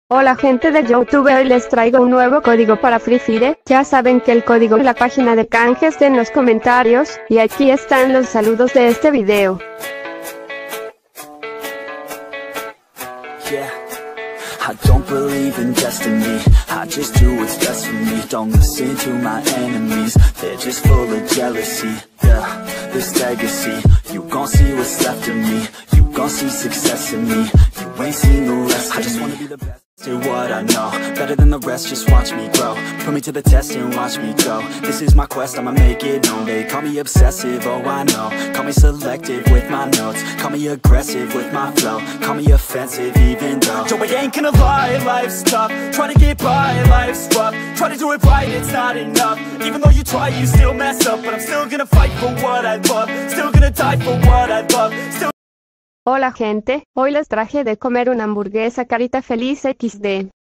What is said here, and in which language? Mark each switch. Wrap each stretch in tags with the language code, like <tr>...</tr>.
<es>Hola gente de YouTube, hoy les traigo un nuevo código para Free Fire. Ya saben que el código es la página de canjes en los comentarios, y aquí están los saludos de este video.</es> <en>I don't believe in destiny, I just do what's best for me. Don't listen to my enemies, they're just full of jealousy. Yeah, this legacy, you gon' see what's left of me. You gon' see success in me, you ain't seen the rest. I just wanna be the best. Say what I know, better than the rest, just watch me grow. Put me to the test and watch me go. This is my quest, I'ma make it known. They call me obsessive, oh I know. Call me selective with my notes. Call me aggressive with my flow. Call me offensive even though Joey ain't gonna lie, life's tough. Try to get by, life's rough. Try to do it right, it's not enough. Even though you try, you still mess up. But I'm still gonna fight for what I love. Still gonna die for what I love. Still.</en> <es>Hola gente, hoy les traje de comer una hamburguesa Carita Feliz XD.</es>